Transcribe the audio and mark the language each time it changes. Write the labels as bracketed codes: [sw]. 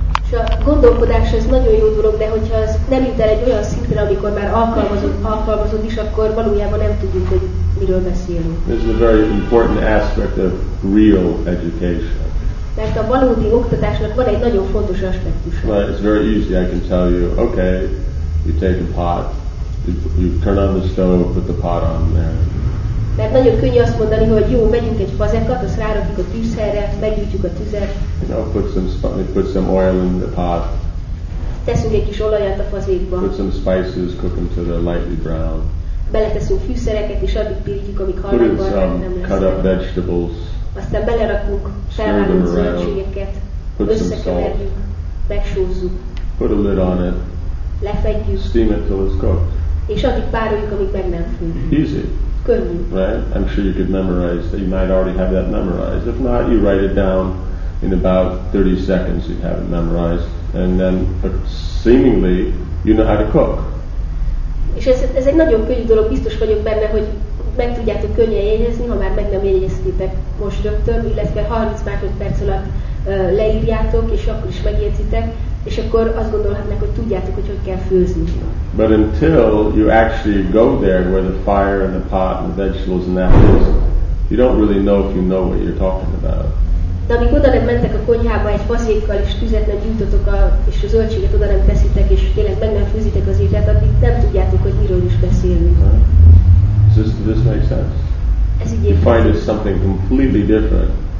[hu] És a gondolkodás ez nagyon jó dolog, de hogyha az nem jut el egy olyan szintre, amikor már alkalmazott is, akkor valójában nem tudjuk, hogy miről beszélünk. [en] This is a very important aspect of real education. [hu] Mert a valódi oktatásnak van egy nagyon fontos aspektusa. [en] Well, it's very easy, I can tell you, okay, you take a pot, you turn on the stove, put the pot on there. [hu] Mert nagyon könnyű azt mondani, hogy jó, vegyünk egy fazekat, azt rárakjuk a tűzhelyre, meggyújtjuk a tüzet. [en] You know, put some oil in the pot. [hu] Teszünk egy kis olajat a fazékba. [en] Put some spices, cook them till they're lightly brown. [hu] Beleteszünk fűszereket, és addig pirítjuk, amik halványban nem lesznek. [en] Put some cut up vegetables. [hu] Aztán belerakunk felvágott zöldségeket. Összekeverjük. Megsózzuk. [en] Put a lid on it. [hu] Lefedjük. [en] Steam it till it's cooked. [hu] És addig pároljuk, amíg meg nem fő. [en] Easy. [hu] Könnyű. [en] Right? I'm sure you could memorize that. You might already have that memorized. If not, you write it down in about 30 seconds you have it memorized. And then, seemingly, you know how to cook. [hu] És ez egy nagyon könnyű dolog, biztos vagyok benne, hogy meg tudjátok könnyen jegyezni, ha már meg nem jegyeztétek most rögtön, illetve 30 másodperc alatt leírjátok, és akkor is megjegyzitek, és akkor azt gondolhatnak, hogy tudjátok, hogy hogy kell főzni. [en] But until you actually go there where the fire and the pot and the vegetables and that is, you don't really know if you know what you're talking about. [hu] De amíg oda nem mentek a konyhába egy fazékkal és tüzet nem gyújtotok és a zöldséget oda nem teszitek és tényleg meg nem főzitek az ételt, addig nem tudjátok, hogy miről is beszélünk. [en] Does this make sense? [hu] Ez így [en] you find it's something completely different.